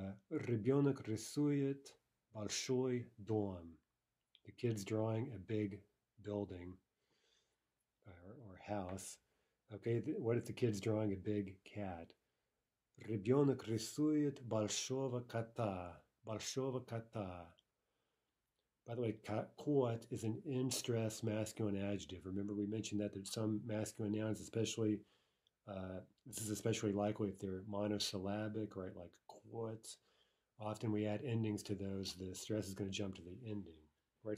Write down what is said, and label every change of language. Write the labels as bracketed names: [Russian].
[Russian] Ребенок рисует большой дом. [English] The kid's drawing a big building or house. Okay, what if the kid's drawing a big cat? [Russian] Ребенок рисует большого кота. Большого кота. [English] By the way, кот is an in-stress masculine adjective. Remember, we mentioned that there's some masculine nouns, especially this is especially likely if they're monosyllabic, right? Like кот. Often we add endings to those, the stress is going to jump to the ending, right?